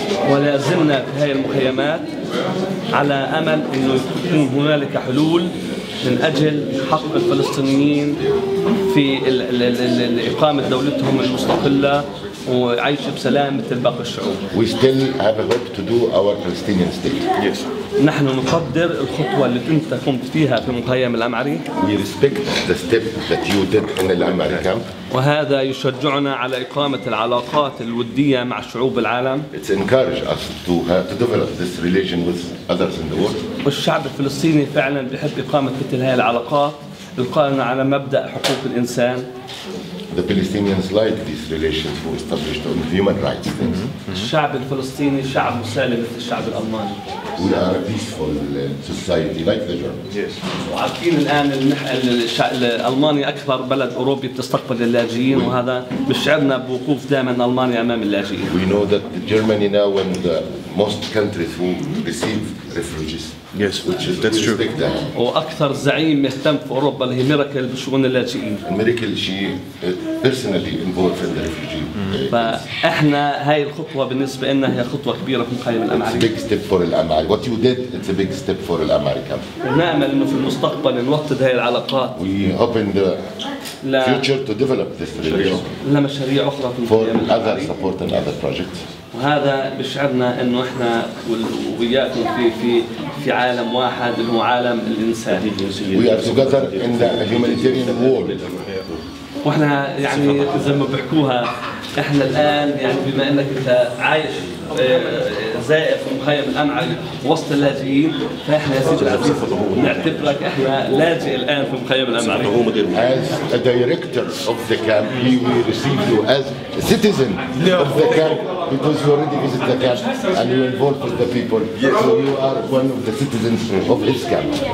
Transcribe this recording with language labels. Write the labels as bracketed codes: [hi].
[ar] ولا زلنا في هذه المخيمات على أمل إنه تكون هنالك حلول من أجل حق الفلسطينيين في إقامة دولتهم المستقلة. وعيش بسلام مثل باقي الشعوب. [en] We still have a hope to do our Palestinian state. Yes. [ar] نحن نقدر الخطوة اللي أنت قمت فيها في مخيم الأمعري. [en] We respect the step that you did in the Al-Amari camp. [ar] وهذا يشجعنا على إقامة العلاقات الودية مع شعوب العالم. [en] It's encourage us to develop this relation with others in the world. [ar] والشعب الفلسطيني فعلاً بيحب إقامة مثل هاي العلاقات القائمة على مبدأ حقوق الإنسان. [en] The Palestinians like these relations who established on human rights things. [ar] الشعب الفلسطيني شعب مسالم مثل الشعب الألماني. [en] We are a peaceful society like the Germans. Yes. [ar] وعارفين الآن إن ألمانيا أكبر بلد أوروبي بتستقبل اللاجئين وهذا بشعرنا بوقوف دائما ألمانيا أمام اللاجئين. [en] We know that Germany now one of the most countries who receive refugees. Yes, which is that's true. [ar] وأكثر زعيم مهتم في أوروبا اللي هي ميركل بشؤون اللاجئين. ميركل شيء [en] personally involved in the refugee. [ar] فاحنا هاي الخطوة بالنسبة لنا هي خطوة كبيرة في مقايمة الأمريكا. [en] It's a big step for America. What you did, it's a big step for America. [ar] نعمل إنه في المستقبل نوطد هاي العلاقات. [en] We hope in the future to develop this relationship. [ar] لمشاريع أخرى في [en] For other support and other projects. [ar] وهذا بشعرنا إنه إحنا وياكم في عالم واحد اللي هو عالم الإنسان. [en] We are together in the humanitarian world. [ar] وإحنا يعني زي ما بحكوها إحنا الآن يعني بما إنك أنت عايش زائر في مخيم الأمعري وسط اللاجئين فإحنا يا سيدي العزيز نعتبرك إحنا لاجئ الآن في مخيم الأمعري. [en] As a director of the camp, he will receive you as a citizen of the camp. Because you already visit the camp and you involved with the people, yes. So you are one of the citizens of his camp.